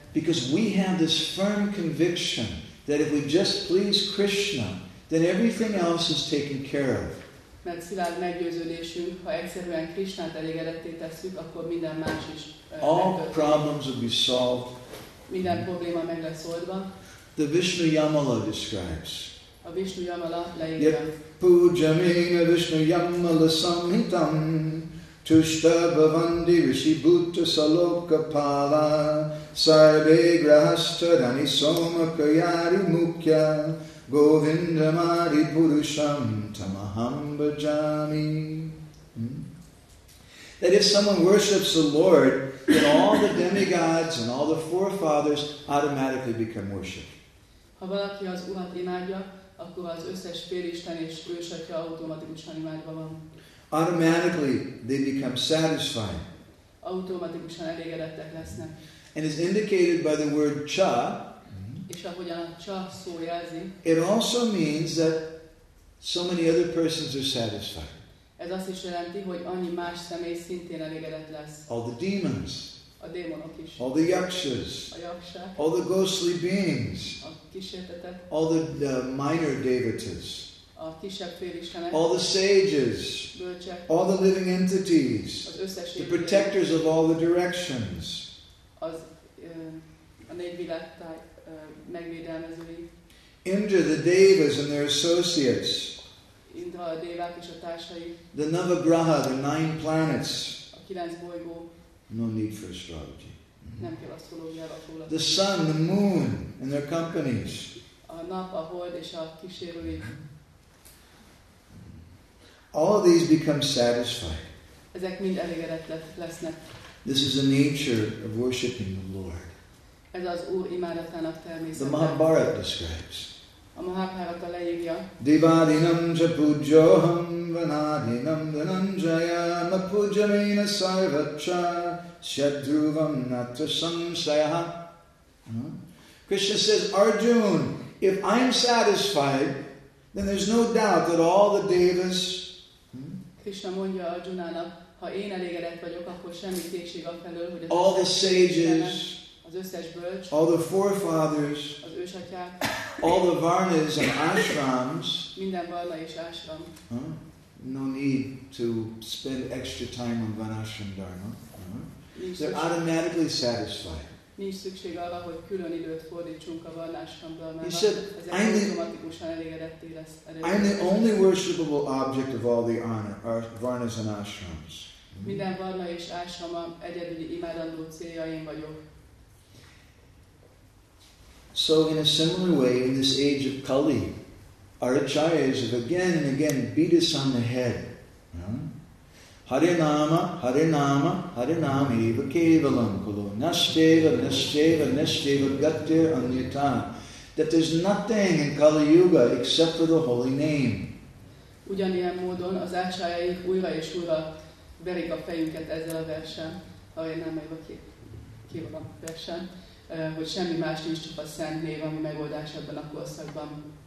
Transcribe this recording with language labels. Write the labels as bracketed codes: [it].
[en] Because we have this firm conviction that if we just please Krishna, then everything else is taken care of. [hu] Mert szilárd meggyőződésünk, ha egyszerűen Krishnát elégedetté tesszük, akkor minden más is [en] all problems will be solved. [hu] Minden probléma meg lesz oldva. [en] The Vishnu Yamala describes. [hu] A Vishnu Yamala leírja. [en] Yep. [sa] Pujamina Vishnu Yamala Samhitam Tushta Bhavandi Rishi Bhuta Saloka Pala Sarve Grahastha Dhani Soma Kayari Mukya Govinda Mari Purusham Tamaham Bhajami. [en] That if someone worships the Lord, then all the demigods and all the forefathers automatically become worship. [hu] Ha valaki az Urat imádja, akkor az összes félisten és ősatja automatikusan imádva van. [en] Automatically they become satisfied. [hu] Automatikusan elégedettek lesznek. [en] And is indicated by the word cha. [hu] És ahogyan a cha szó jelzi. [en] It also means that so many other persons are satisfied. [hu] Ez azt is jelenti, hogy annyi más személy szintén elégedett lesz. [en] All the demons. [hu] A démonok is. [en] All the yakshas. [hu] A yakshák. [en] All the ghostly beings. [hu] A kísértetek. [en] All the minor devatas. [hu] A kisebb félistenek. [en] All the sages. [hu] Bölcsek. [en] All the living entities. [hu] Az összes [en] the protectors of all the directions. [hu] Az a négy világtáj megvédelmezői. [en] Indra, the devas and their associates. [hu] Indra, a dévák és a társai. [en] The Navagraha, the nine planets. [hu] A kilenc bolygó. [en] No need for astrology. Mm-hmm. The sun, the moon, and their companies. [hu] A nap, a hold és a kísérői. [en] All these become satisfied. [hu] Ezek mind elégedett lesznek. [en] This is the nature of worshiping the Lord. [hu] Ez az Úr imádatának természete. [en] The Mahabharata describes. [hu] A Mahabharata leírja. [sa] Divadinam ca pujoham vanadinam dhananjaya napujamena sarvacha shadruvam natra samsayaha. [en] Krishna says, Arjun, if I'm satisfied, then there's no doubt that all the devas. [hu] Krishna mondja Arjunának, ha én elégedett vagyok, akkor semmi kétség afelől, hogy [en] all the sages, [hu] az összes bölcs, [en] all the forefathers, [hu] az ősatyák, [en] all the varnas and ashrams, [hu] minden varna és ashram. [en] No need to spend extra time on vanashram dharma. They're automatically satisfied. [hu] Nincs szükség arra, hogy külön időt fordítsunk a vallásomra, mert [en] said, [hu] ezek automatikusan elégedetté lesz. [en] I'm the only worshipable object of all the varnas and ashrams. [hu] Minden varna és ashrama egyedüli imádandó célja én vagyok. [en] So in a similar way, in this age of Kali, our acharyas have again and again beat us on the head. [sa] Harinama, Harinama, Harinama, Eva Kevalam, Kulu, Nasteva, Nasteva, Nasteva, Gatir, Anyata. [en] That there's nothing in Kali Yuga except for the holy name. [hu] Ugyanilyen módon az ácsájaik újra és újra verik a fejünket ezzel a versen, Harinama, Eva Kevalam versen, hogy semmi más nincs, csak a szent név, ami megoldás ebben a korszakban.